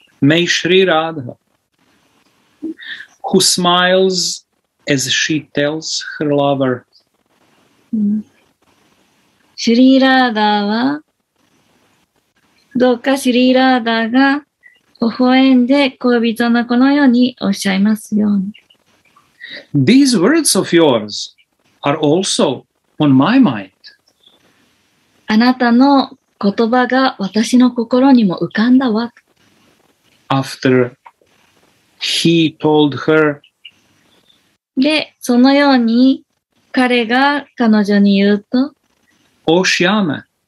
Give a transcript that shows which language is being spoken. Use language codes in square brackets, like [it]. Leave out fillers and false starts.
[en] May Shri Radha. Who smiles as she tells her lover. [ja] シュリーラーダーは、どうかシュリーラーダーが微笑んで恋人のこのようにおっしゃいますように。 [en] These words of yours are also on my mind. [ja] あなたの言葉が私の心にも浮かんだわ。 [en] After He told her. [ja] で、そのように彼が彼女に言うと、 [en] O Shyama,